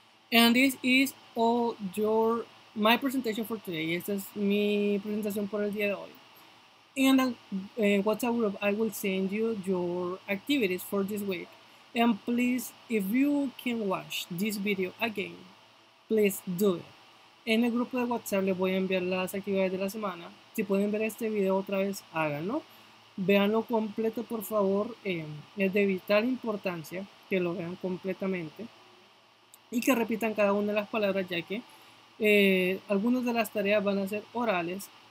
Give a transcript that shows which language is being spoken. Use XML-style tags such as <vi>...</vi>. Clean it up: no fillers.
<en>And this is all your my presentation for today.</en> <es>Esta es mi presentación por el día de hoy.</es> <en>In the WhatsApp group, I will send you your activities for this week. And please, if you can watch this video again, please do it.</en> <es>En el grupo de WhatsApp les voy a enviar las actividades de la semana. Si pueden ver este video otra vez, háganlo. Véanlo completo, por favor. Es de vital importancia que lo vean completamente. Y que repitan cada una de las palabras, ya que algunas de las tareas van a ser orales.</es>